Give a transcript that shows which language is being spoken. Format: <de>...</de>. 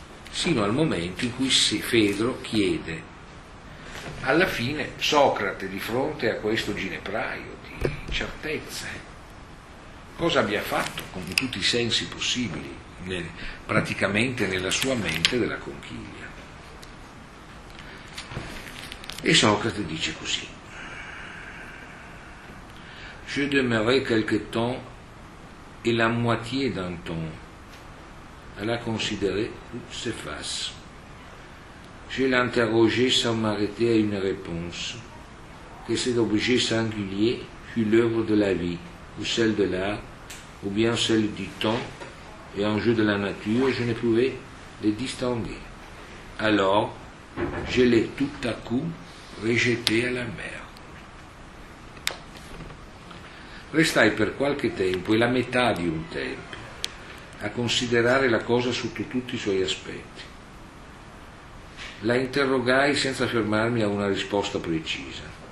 <it>sino al momento in cui Fedro chiede, alla fine Socrate, di fronte a questo ginepraio di certezze, cosa abbia fatto con tutti i sensi possibili, praticamente nella sua mente della conchiglia. E Socrate dice così:</it> <fr>je demeurai quelque temps et la moitié d'un temps à la considérer toutes ses faces. Je l'interrogeai sans m'arrêter à une réponse, que cet objet singulier fut l'œuvre de la vie ou celle de l'art ou bien celle du temps et un jeu de la nature, je ne pouvais les distinguer. Alors, je l'ai tout à coup rejeté à la mer.</fr> <it>Restai per qualche tempo, e la metà di un tempo, a considerare la cosa sotto tutti i suoi aspetti. La interrogai senza fermarmi a una risposta precisa.</it>